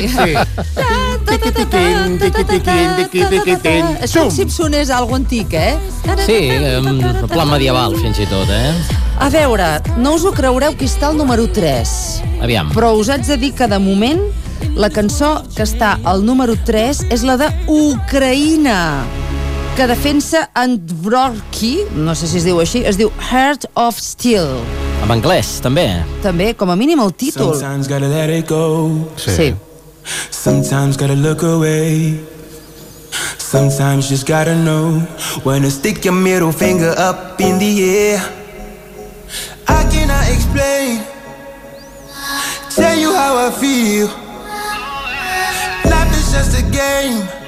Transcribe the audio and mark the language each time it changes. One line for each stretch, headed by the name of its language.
Catalan: És com si em sonés algo antic, eh? Sí, pla medieval, fins i tot, eh? A veure, no us ho creureu qui està al número 3. Aviam. Però us haig de dir que, de moment, la cançó que està al número 3 és la d'Ucraïna, que defensa Androvki, no sé si es diu així, es diu Heart of Steel. En anglès, també. També, com a mínim, el títol.
English: Sometimes gotta let it go.
Catalan: Sí.
English: Sometimes gotta look away. Sometimes just gotta know when to stick your middle finger up in the air. I cannot explain. Tell you how I feel. Life is just a game.